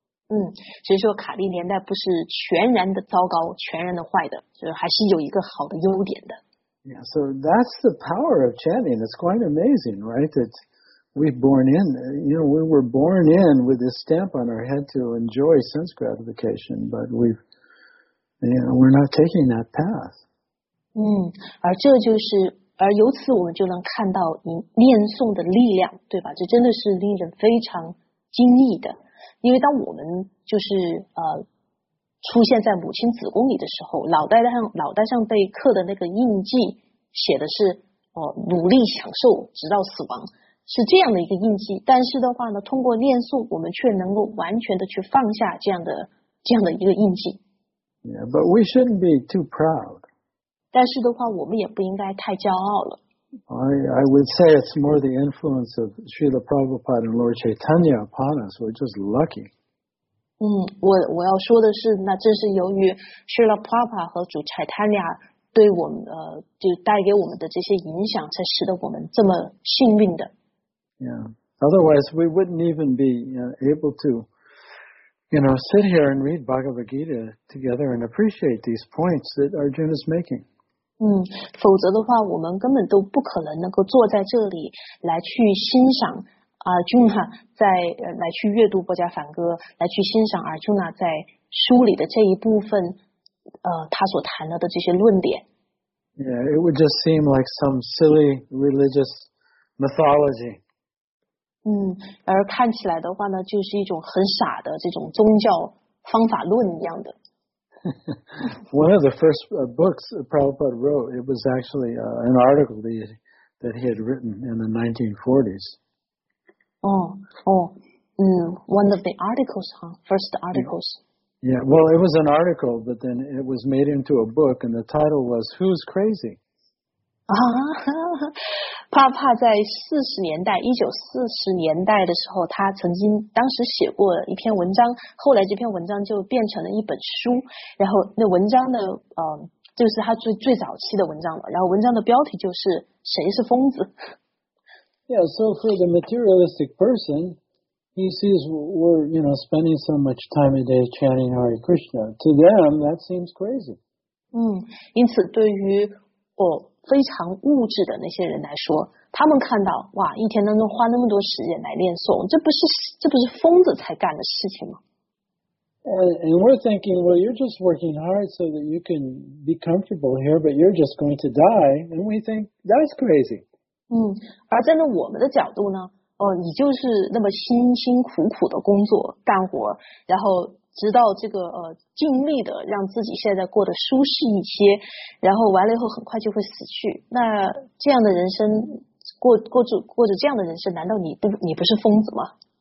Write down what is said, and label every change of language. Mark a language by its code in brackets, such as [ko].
[zh] 所以说卡利年代不是全然的糟糕，全然的坏的，就是还是有一个好的优点的。Yeah, [en] so that's the power of chanting. It's quite amazing, right? We've born in, you know, we were born in with this stamp on our head to enjoy sense gratification, but we've, you know, we're not taking that path. [zh] 而由此我们就能看到念诵的力量，对吧？这真的是令人非常惊异的，因为当我们就是出现在母亲子宫里的时候，脑袋上被刻的那个印记写的是努力享受直到死亡。是这样的一个印记，但是的话呢，通过念诵，我们却能够完全的去放下这样的一个印记。 [en] Yeah, but we shouldn't be too proud. [zh] 但是的话，我们也不应该太骄傲了。 [en] I would say it's more the influence of Srila Prabhupada and Lord Chaitanya upon us. We're just lucky. [zh] 我要说的是，那正是由于 Srila Prabhupada 和主 Chaitanya 对我们就带给我们的这些影响，才使得我们这么幸运的。 [en] Yeah. Otherwise, we wouldn't even be able to. You know, sit here and read Bhagavad Gita together and appreciate these points that Arjuna is making. [zh] 否则的话，我们根本都不可能能够坐在这里来去欣赏Arjuna 在来去阅读《波迦梵歌》，来去欣赏 Arjuna 在书里的这一部分，他所谈到的这些论点。 [en] Yeah, it would just seem like some silly religious mythology. [zh] 而看起来的话呢，就是一种很傻的这种宗教方法论一样的。 [en] One of the first books Prabhupada wrote, it was actually an article that he had written in the 1940s. One of the articles, huh? First articles. Yeah, well, it was an article, but then it was made into a book, and the title was Who's Crazy? [zh] 帕帕在1940年代的时候，他曾经当时写过一篇文章，后来这篇文章就变成了一本书，然后那文章的就是他最早期的文章了，然后文章的标题就是谁是疯子。 [en] Yeah, so for the materialistic person, he sees we're, you know, spending so much time a day chanting Hare Krishna. To them, that seems crazy. [zh] 因此对于非常物质的那些人来说，他们看到哇，一天当中花那么多时间来念诵，这不是疯子才干的事情吗？ [en] And we're thinking, well, you're just working hard so that you can be comfortable here, but you're just going to die, and we think that's crazy. [zh] 而站在我们的角度呢，你就是那么辛辛苦苦的工作干活，然后。直到这个尽力的让自己现在过得舒适一些，然后完了以后很快就会死去。那这样的人生过着这样的人生，难道你不是疯子吗